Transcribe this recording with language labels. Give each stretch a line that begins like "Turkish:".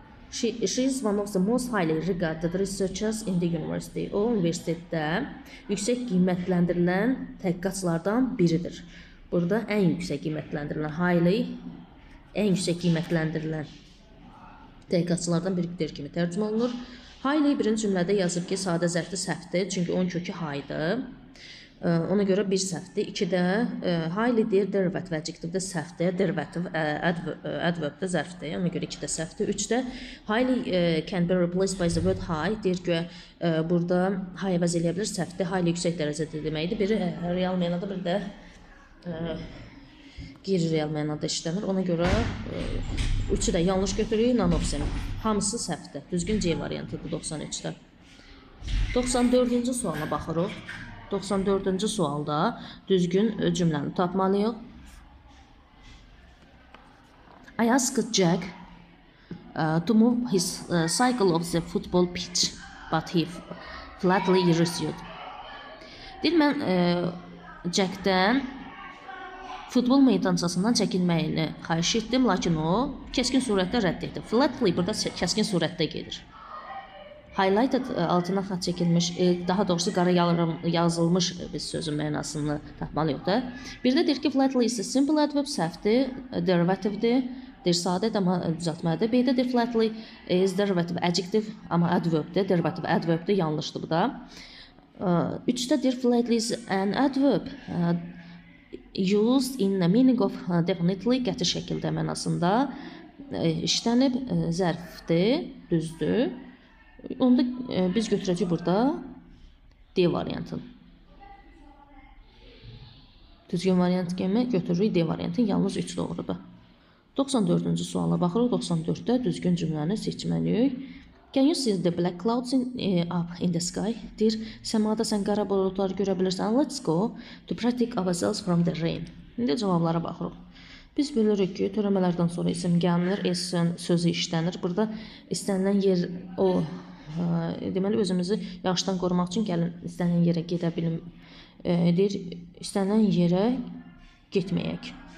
English: She is one of the most highly regarded researchers in the university.
Azerbaijani: O, universitetdə yüksək qiymətləndirilən təhqiqatçılardan biridir. Burada ən yüksək qiymətləndirilən highly, ən yüksək qiymətləndirilən təhqiqatçılardan biridir kimi tərcüm olunur. Highly birinci cümlədə yazıb ki, sadə zərfdə səhvdir, çünki onun kökü high-dır. Ona görə bir səhvdir. İki də highly deyir, derivative adjective də səhvdir. Derivative adverb də zərfdir. Ona görə iki də səhvdir. Üç də
English: highly can be replaced by the word high.
Azerbaijani: Deyir ki, burada high əvəz eləyə bilir səhvdir. Highly yüksək dərəcədə deməkdir. Biri real mənada, biri də geri real mənada işlənir. Ona görə üçü də yanlış götürürük.
English: None of them.
Azerbaijani: Hamısı səhvdir. Düzgün C variantıdır 93-də. 94-cü suala baxırıq. 94-cü sualda düzgün cümləni tapmalıyıq.
English: I asked Jack to move his cycle off the football pitch, but he flatly refused.
Azerbaijani: Deyir, mən Jack-dən futbol meydançasından çəkinməyini xahiş etdim, lakin o kəskin surətdə rədd etdi. Flatly burada kəskin surətdə gedir. Highlighted altına xat çəkilmiş, daha doğrusu qara yazılmış bir sözün mənasını tapmalıyıq da. Bir də deyir ki,
English: flatly is a simple adverb,
Azerbaijani: səhvdir, derivative-dir, deyir sadədir, amma düzəltmədir. Bir də deyir,
English: flatly is derivative adjective,
Azerbaijani: amma adverb-dir, derivative adverb-dir, yanlışdır bu da. Üçdə deyir,
English: flatly is an adverb used in the meaning of definitely,
Azerbaijani: qəti şəkildə mənasında işlənib, zərfdir, düzdür. Onu da biz götürəcəyik burada D variantın. Düzgün variantı kimi götürürük D variantın yalnız 3 doğrudur. 94-cü suala baxırıq. 94-də düzgün cümləni seçməliyik.
English: Can you see the black clouds up in the sky?
Azerbaijani: Deyir, səmada sən qara buludları görə bilirsən.
English: Let's go to protect ourselves from the rain.
Azerbaijani: İndi cavablara baxırıq. Biz bilirik ki, törəmələrdən sonra isim gəlir, isim sözü işlənir. Burada istənilən yer o. Deməli, özümüzü yağışdan qorumaq üçün gəlin istənilən yerə gedə bilim. Deyir, istənilən yerə getməyək.